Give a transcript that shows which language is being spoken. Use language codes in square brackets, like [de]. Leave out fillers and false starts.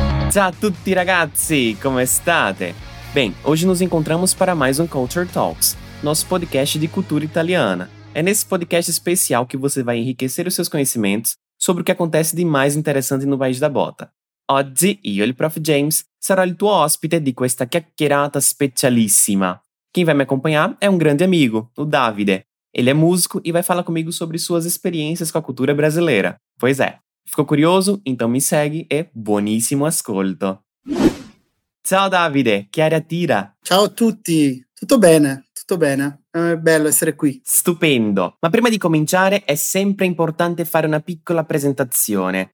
[it] Ciao a tutti ragazzi, come state? [pt] Bem, hoje nos encontramos para mais um Culture Talks, nosso podcast de cultura italiana. É nesse podcast especial que você vai enriquecer os seus conhecimentos sobre o que acontece de mais interessante no País da Bota. [it] Oggi io, il prof. James, sarò il tuo ospite di questa chiacchierata specialissima. [pt] Quem vai me acompanhar é um grande amigo, o Davide. Ele é músico e vai falar comigo sobre suas experiências com a cultura brasileira. Pois é. Ficou curioso? Então me segue e [it] buonissimo ascolto. Ciao Davide, che aria tira? Ciao a tutti, tutto bene. È bello essere qui. Stupendo. Ma prima di cominciare è sempre importante fare una piccola presentazione.